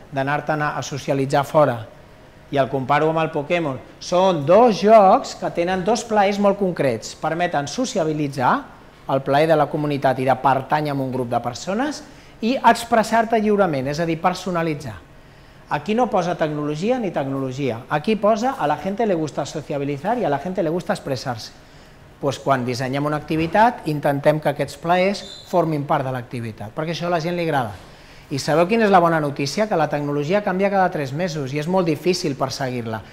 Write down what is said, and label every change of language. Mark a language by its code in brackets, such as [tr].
[ca] D'anar-te'n a socialitzar fora. I el comparo amb el Pokémon. Són dos jocs que tenen dos plaers molt concrets. Permeten sociabilitzar el plaer de la comunitat i de pertànyer a un grup de persones i expressar-te lliurement, és a dir, personalitzar. Aquí no posa tecnologia ni tecnologia. Aquí posa [es] a la gente le gusta sociabilizar y a la gente le gusta expresarse. [ca] Pues quan dissenyem una activitat, intentem que aquests plaers formin part de l'activitat, perquè això a la gent li agrada. I sabeu quina és la bona notícia? Que la tecnologia canvia cada 3 mesos i és molt difícil perseguir-la.